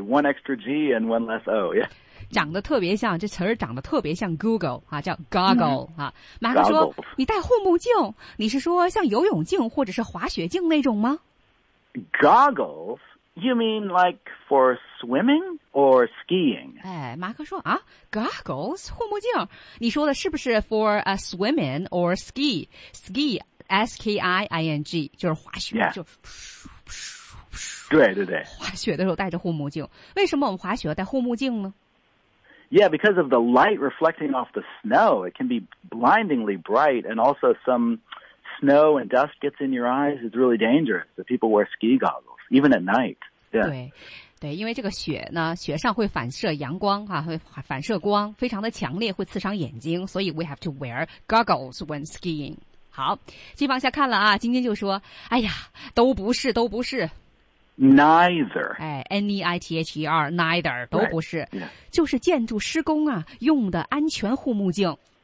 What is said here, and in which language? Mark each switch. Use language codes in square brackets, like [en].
[en] One extra G and one less O, yeah. [zh] 长得特别像这词儿，长得特别像 Google 啊，叫 Goggle、嗯、啊。马克说：“你戴护目镜，你是说像游泳镜或者是滑雪镜那种吗 [en] ？”Goggles, you mean like for swimming or skiing？ [zh] 哎，马克说啊 ，Goggles 护目镜，你说的是不是 [en] for a swimming or ski？ Ski, S K I I N G， [zh] 就是滑雪， [en] yeah. [zh] 就。对对对，滑雪的时候戴着护目镜，为什么我们滑雪要戴护目镜呢？ [en] Yeah, because of the light reflecting off the snow, it can be blindingly bright, and also some snow and dust gets in your eyes. It's really dangerous. So people wear ski goggles, even at night. Yeah. [zh] 对，对，因为这个雪呢，雪上会反射阳光啊，会反射光，非常的强烈，会刺伤眼睛。所以 [en] we have to wear goggles when skiing. [zh] 好，继续往下看了啊，晶晶就说：“哎呀，都不是，都不是。” [en] Neither. [zh] 哎 ，N-E-I-T-H-E-R, neither 都不是， [en] right. yeah. [zh] 就是建筑施工啊用的安全护目镜。